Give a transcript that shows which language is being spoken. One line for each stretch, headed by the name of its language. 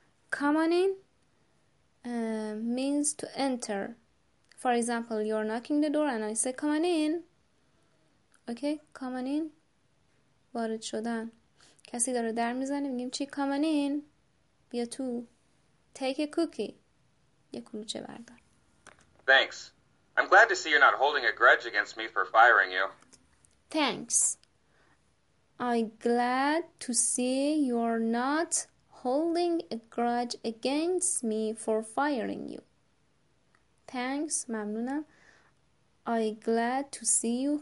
English: Come on in means to enter. For example, you're knocking the door and I say, come on in. Okay, come on in,
Persian: وارد شدن. کسی داره در میزنه، میگیم چی؟
English: come on in,
Persian: بیا تو.
English: take a cookie,
Persian: یک کلوچه بردار.
English: Thanks. I'm glad to see you're not holding a grudge against me for firing you. Thanks. I'm glad to see you're not holding a grudge against me for firing you. Thanks.
Persian: ممنونم.
English: I'm glad to see you.